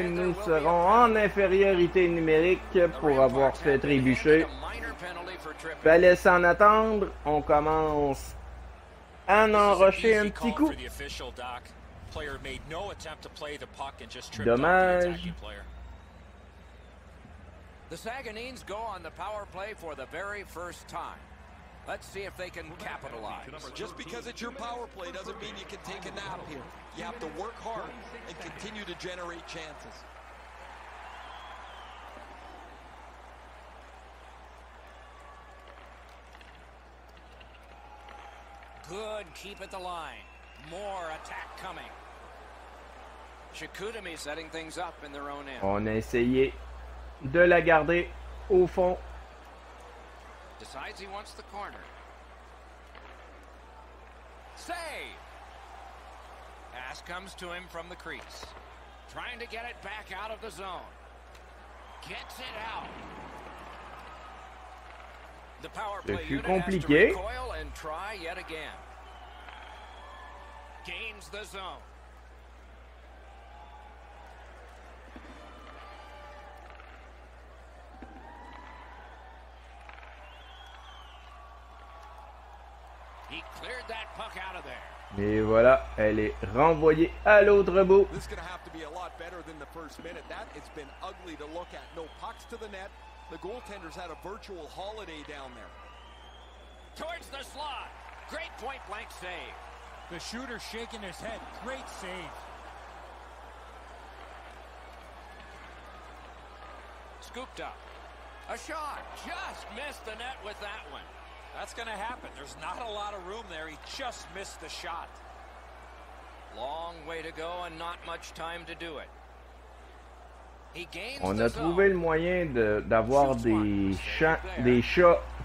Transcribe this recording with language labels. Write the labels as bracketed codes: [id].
[fr] Et nous serons en infériorité numérique pour avoir fait trébucher. Fallait s'en attendre. On commence à en enrocher un petit coup. [en] Player made no attempt to play the puck and just tripped [fr] Dommage. [en] Up the attacking player. The Saguenines go on the power play for the very first time. Let's see if they can capitalize. Just because it's your power play doesn't mean you can take a nap here. You have to work hard and continue to generate chances. Good, keep at the line. More attack coming. Chicoutimi setting things up in their own end. [fr] On a essayé de la garder au fond. [en] Decides he wants the corner. Save! Pass comes to him from the crease. Trying to get it back out of the zone. Gets it out. The power play unit [fr] compliqué. [en] Has to recoil and try yet again. Gains the zone. He cleared that puck out of there. [fr] Et voilà, elle est renvoyée à l'autre bout. [en] This is going to have to be a lot better than the first minute. That has been ugly to look at. No pucks to the net. The goaltender's had a virtual holiday down there. Towards the slot. Great point blank save. The shooter shaking his head. Great save. Scooped up. A shot. Just missed the net with that one. That's going to happen. There's not a lot of room there. He just missed the shot. Long way to go and not much time to do it. He gains. [fr] On a trouvé le moyen d'avoir des shots.